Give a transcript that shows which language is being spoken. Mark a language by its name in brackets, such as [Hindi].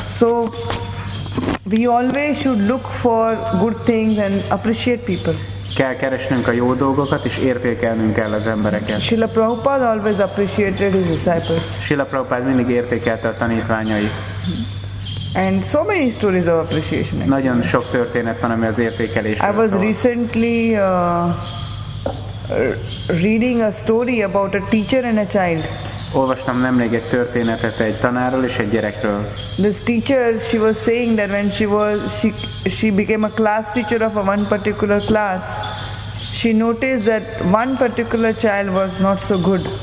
[English] So, we always should look for good things and appreciate people. [Hungarian] Kell keresnünk a jó dolgokat és értékelnünk kell az embereket. [English] Srila Prabhupada always appreciated his disciples. [Hungarian] Srila Prabhupada mindig értékelte a tanítványait. [English] And so many stories of appreciation. [Hungarian] Nagyon sok történet van, ami az értékelésről szól. [English] I was [Hungarian] szól. [English] Recently reading a story about a teacher and a child. [Hungarian] Olvastam nemrég egy történetet egy tanárról és egy gyerekről. [English] This teacher, she was saying that when she became a class teacher of one particular class, she noticed that one particular child was not so good.